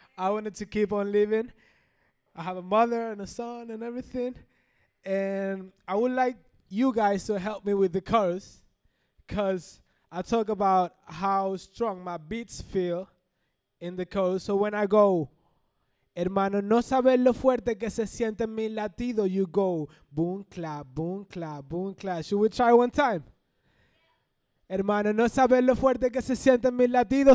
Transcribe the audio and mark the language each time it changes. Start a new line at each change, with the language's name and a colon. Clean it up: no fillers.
English: I wanted to keep on living. I have a mother and a son and everything. And I would like you guys to help me with the chorus, because I talk about how strong my beats feel in the chorus. So when I go,
Spanish: Hermano, no sabes lo fuerte que se siente mi latido.
English: You go, boom, clap, boom, clap, boom, clap. Should we try one time?
Spanish: Hermano, no sabes lo fuerte que se siente mi latido.